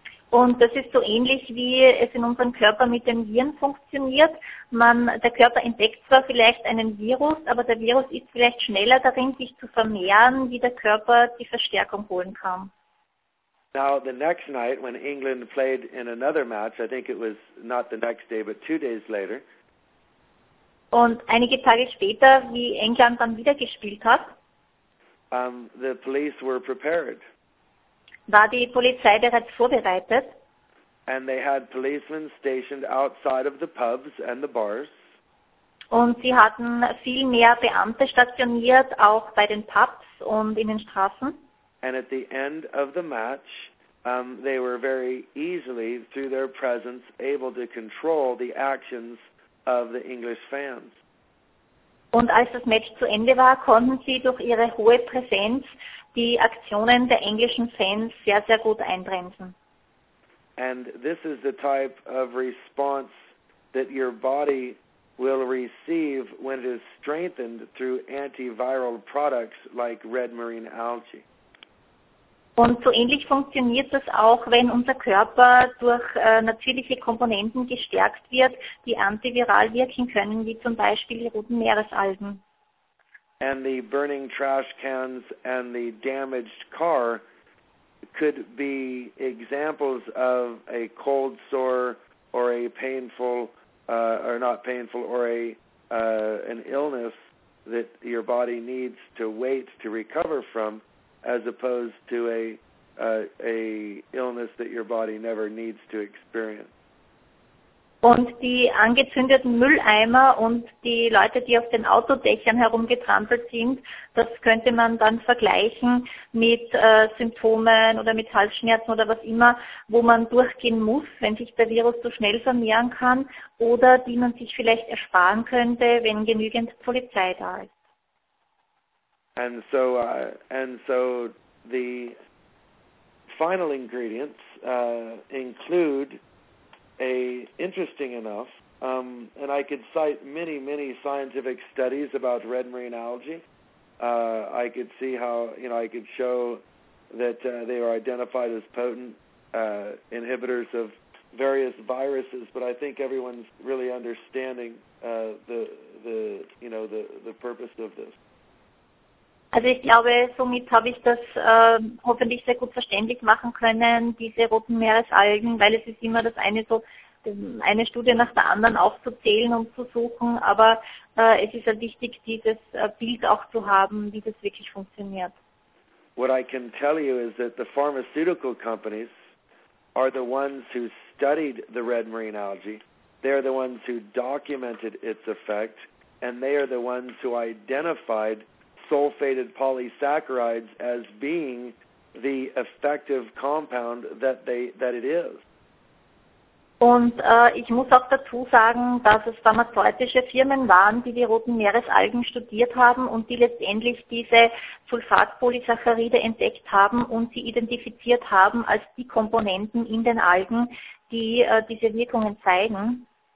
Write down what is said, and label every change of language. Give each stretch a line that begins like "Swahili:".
German: Und das ist so ähnlich, wie es in unserem Körper mit den Viren funktioniert. Der Körper entdeckt zwar vielleicht einen Virus, aber der Virus ist vielleicht schneller darin, sich zu vermehren, wie der Körper die Verstärkung holen kann.
English: Now, the next night, when England played in another match, I think it was not the next day, but 2 days later.
German: Und einige Tage später, wie England dann wieder gespielt hat,
English: the police were prepared.
German: War die Polizei bereits vorbereitet.
English: And they had policemen stationed outside of the pubs and the bars.
German: Und sie hatten viel mehr Beamte stationiert, auch bei den Pubs und in den Straßen.
English: And at the end of the match, they were very easily, through their presence, able to control the actions of the English fans.
German: Und als das Match zu Ende war, konnten sie durch ihre hohe Präsenz die Aktionen der englischen Fans sehr, sehr gut einbremsen.
English: And this is the type of response that your body will receive when it is strengthened through antiviral products like red marine algae.
German: Und so ähnlich funktioniert das auch, wenn unser Körper durch natürliche Komponenten gestärkt wird, die antiviral wirken können, wie zum Beispiel die roten Meeresalgen.
English: And the burning trash cans and the damaged car could be examples of a cold sore or a painful, or not painful, or a an illness that your body needs to wait to recover from, as opposed to a illness that your body never needs to experience.
German: Und die angezündeten Mülleimer und die Leute, die auf den Autodächern herumgetrampelt sind, das könnte man dann vergleichen mit Symptomen oder mit Halsschmerzen oder was immer, wo man durchgehen muss, wenn sich der Virus so schnell vermehren kann oder die man sich vielleicht ersparen könnte, wenn genügend Polizei da ist.
English: And so, the final ingredients include a interesting enough, and I could cite many, many scientific studies about red marine algae. I could see how, you know, I could show that they are identified as potent inhibitors of various viruses, but I think everyone's really understanding the purpose of this.
German: Also ich glaube, somit habe ich das hoffentlich sehr gut verständlich machen können, diese roten Meeresalgen, weil es ist immer das eine, so eine Studie nach der anderen aufzuzählen und zu suchen, aber es ist ja wichtig, dieses Bild auch zu haben, wie das wirklich funktioniert.
English: What I can tell you is that the pharmaceutical companies are the ones who studied the red marine algae. They are the ones who documented its effect and they are the ones who identified sulfated polysaccharides as being the effective compound that it is.
German: Und ich muss auch dazu sagen, dass es pharmazeutische Firmen waren, die roten Meeresalgen studiert haben und die letztendlich diese Sulfatpolysaccharide entdeckt haben und sie identifiziert haben als die Komponenten in den Algen, die diese Wirkungen zeigen.